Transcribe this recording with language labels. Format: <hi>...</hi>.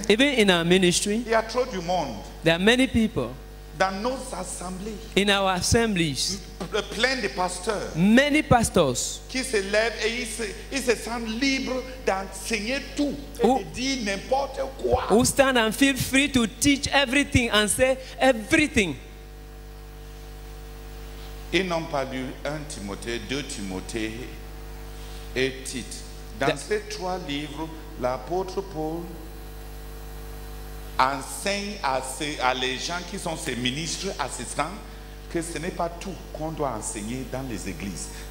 <en>even in our ministry,</en> <fr>il y a trop du monde.</fr> <en>There are many people.</en> <fr>Dans nos assemblées,</fr> <en>in our assemblies,</en> <fr>plein de pasteurs,</fr> <en>many pastors,</en> <fr>qui se lèvent et ils se sentent libres d'enseigner tout et dire n'importe quoi.</fr> <en>Who stand and feel free to teach everything and say everything.</en> <fr>Ils n'ont pas lu 1 Timothée, 2 Timothée et Tite. Dans ces trois livres, l'apôtre Paul enseigne à les gens qui sont ses ministres assistants que ce n'est pas tout qu'on doit enseigner dans les églises.</fr>